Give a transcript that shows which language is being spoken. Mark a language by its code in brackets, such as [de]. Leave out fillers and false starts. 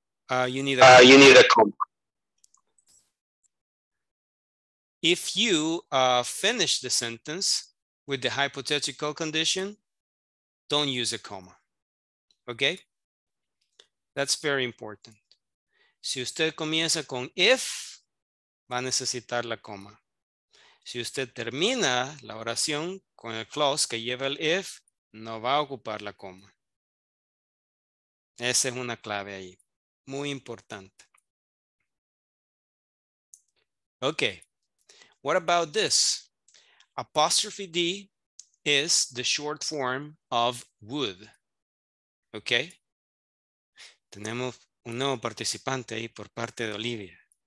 [en] You need a comma. If you finish the sentence with the hypothetical condition, don't use a comma. Okay? That's very important. [es] Si usted comienza con if, va a necesitar la coma. Si usted termina la oración con el clause que lleva el if, no va a ocupar la coma. Esa es una clave ahí. Muy importante. [en] Okay. What about this? Apostrophe D is the short form of would. Okay. [es] Tenemos un nuevo participante ahí por parte de Olivia.